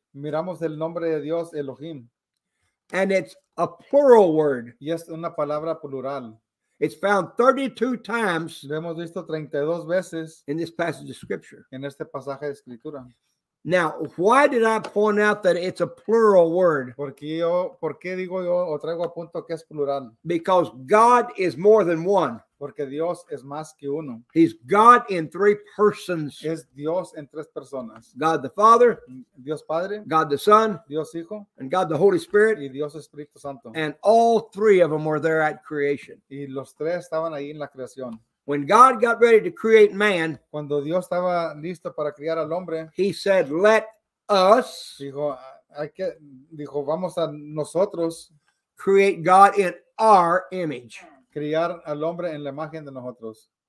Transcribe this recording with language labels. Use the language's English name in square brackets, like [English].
[Spanish] Miramos el nombre de Dios, Elohim. [English] And it's a plural word. [Spanish] Y es una palabra plural. [English] It's found 32 times. [Spanish] Lo hemos visto 32 veces [English] in this passage of scripture. [Spanish] En este pasaje de escritura. [English] Now, why did I point out that it's a plural word? [Spanish] ¿Por qué digo yo o traigo a punto que es plural? [English] Because God is more than one. [Spanish] Porque Dios es más que uno. [English] He's God in three persons. [Spanish] Es Dios en tres personas. [English] God the Father. [Spanish] Dios Padre. [English] God the Son. [Spanish] Dios Hijo. [English] And God the Holy Spirit. [Spanish] Y Dios Espíritu Santo. [English] And all three of them were there at creation. [Spanish] Y los tres estaban ahí en la creación. [English] When God got ready to create man, [Spanish] cuando Dios estaba listo para crear al hombre, [English] he said, let us, [Spanish] dijo, vamos a nosotros, [English] create God in our image. [Spanish] Crear al hombre en la imagen de nosotros.